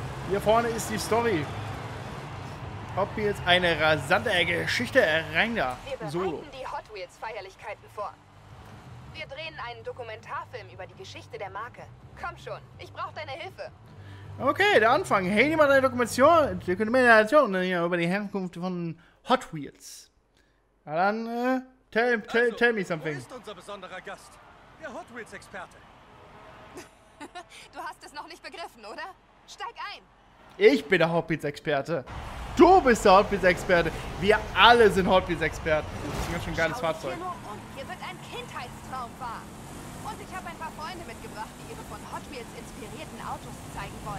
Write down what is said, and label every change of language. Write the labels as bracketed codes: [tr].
[de] Hier vorne ist die Story. Hot Wheels, eine rasante Geschichte, rein da. Wir bereiten die Hot Wheels Feierlichkeiten vor. Wir drehen einen Dokumentarfilm über die Geschichte der Marke. Komm schon, ich brauche deine Hilfe. Okay, der Anfang. Hey, nimm mal deine Dokumentation über die Herkunft von Hot Wheels. Na dann, [en] tell me something. [de] Wo ist unser besonderer Gast? Der Hot Wheels Experte. Du hast es noch nicht begriffen, oder? Steig ein. Ich bin der Hot Wheels Experte. Du bist der Hot Wheels Experte. Wir alle sind Hot Wheels Experten. Das ist ein ganz schön geiles Fahrzeug. Hier, hier wird ein Kindheitstraum wahr. Und ich habe ein paar Freunde mitgebracht, die ihre von Hot Wheels inspirierten Autos zeigen wollen.